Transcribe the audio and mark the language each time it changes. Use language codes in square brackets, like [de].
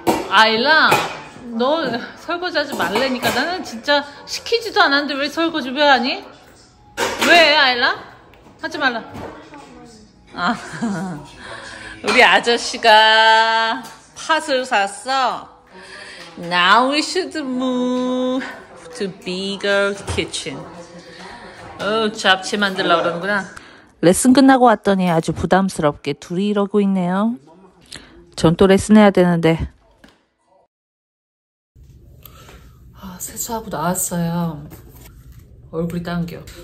[ko] 아일라 너 설거지 하지 말래니까. 나는 진짜 시키지도 않았는데 왜 설거지 왜 하니? 왜 아일라? 하지 말라. 아, 우리 아저씨가 팥을 샀어. [en] Now we should move to bigger kitchen. [ko] 어, 잡채 만들려고 그러는구나. 레슨 끝나고 왔더니 아주 부담스럽게 둘이 이러고 있네요. 전 또 레슨 해야 되는데. 아, 세수하고 나왔어요. 얼굴이 당겨.